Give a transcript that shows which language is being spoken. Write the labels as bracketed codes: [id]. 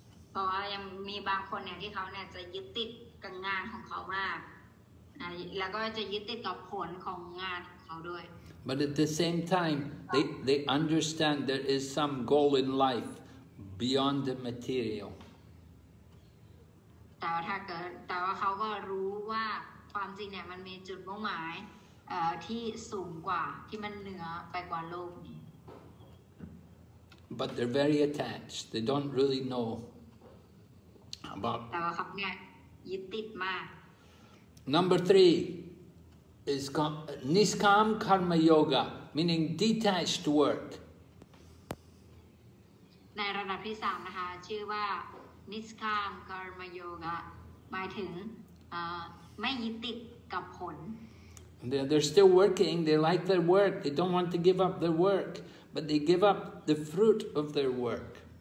[th] เพราะว่ายังมีบางคนเนี่ยที่เขาเนี่ยจะยึดติดกับงานของเขามากแล้วก็จะยึดติดกับผลของงานของเขาด้วย [en] But at the same time, they understand there is some goal in life. Beyond the material. [th] แต่ถ้าเกิดแต่ว่าเขาก็รู้ว่าความจริงเนี่ยมันมีจุดมุ่งหมายที่สูงกว่าที่มันเหนือไปกว่าโลกนี้ [en] But they're very attached. They don't really know about. [th] แต่ว่าเขาเนี่ยยึดติดมาก [en] Number three is Niskam Karma Yoga, meaning detached work. [th] ในระดับที่3นะคะชื่อว่านิสกามกรรมโยกะหมายถึงไม่ยึดติดกับผล [en] They're still working, they like their work, they don't want to give up their work, but they give up the fruit of their work.